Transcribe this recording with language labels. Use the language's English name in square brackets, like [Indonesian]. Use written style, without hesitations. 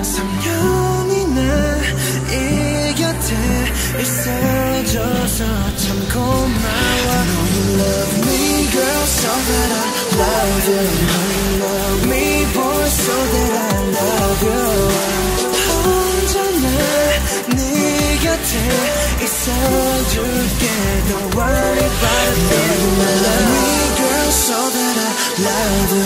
[Korean] 3년이나 이 곁에 있어줘서 참 고마워. [English] I know you love me, girl, so that I love you. I love me, boy, so that I love you. [Korean] 혼자 나 네 곁에 있어줄게. [English] Don't worry about it. I know you love me, girl, so that I love you.